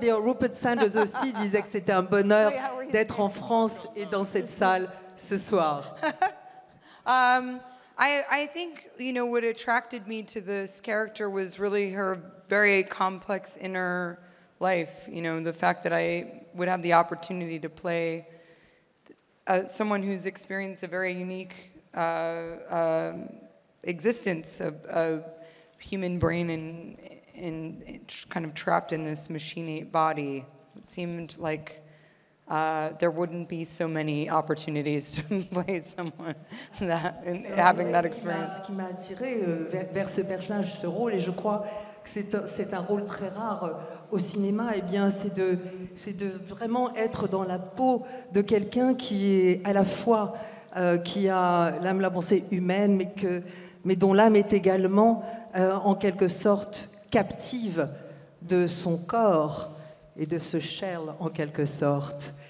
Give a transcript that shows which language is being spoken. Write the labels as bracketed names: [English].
[French] D'ailleurs, Rupert Sanders aussi disait que c'était un bonheur d'être en France et dans cette salle ce soir. [English] I think, you know, what attracted me to this character was really her very complex inner life. You know, the fact that I would have the opportunity to play someone who's experienced a very unique existence of a human brain and kind of trapped in this machine body. It seemed like there wouldn't be so many opportunities to play someone having that experience. [French] Ce qui m'a attiré vers ce personnage, ce rôle, et je crois que c'est un rôle très rare au cinéma, et bien c'est de vraiment être dans la peau de quelqu'un qui est à la fois qui a l'âme, la pensée humaine, mais dont l'âme est également en quelque sorte captive de son corps et de ce shell en quelque sorte.